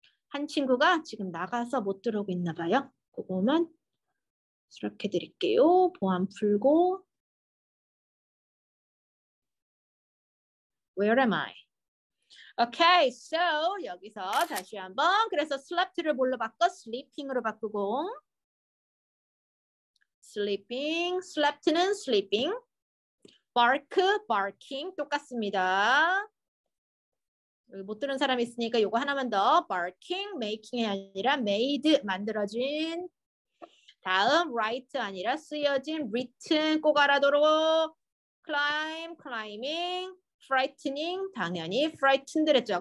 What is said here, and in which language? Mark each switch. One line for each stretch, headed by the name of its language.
Korean: 한 친구가 지금 나가서 못 들어오고 있나 봐요. 그거면 수락해 드릴게요. 보안 풀고.
English: Where am I? Okay, so
Korean: 여기서 다시 한번. 그래서 slept를 뭘로 바꿔? Sleeping으로 바꾸고. Sleeping, slept는 sleeping. Bark, barking, 똑같습니다. 여기 못 들은 사람 있으니까 요거 하나만 더. Barking, making이 아니라 made, 만들어진. 다음, write 아니라 쓰여진. Written, 꼭 알아두고. Climb, climbing. Frightening, 당연히 frightened 그랬죠.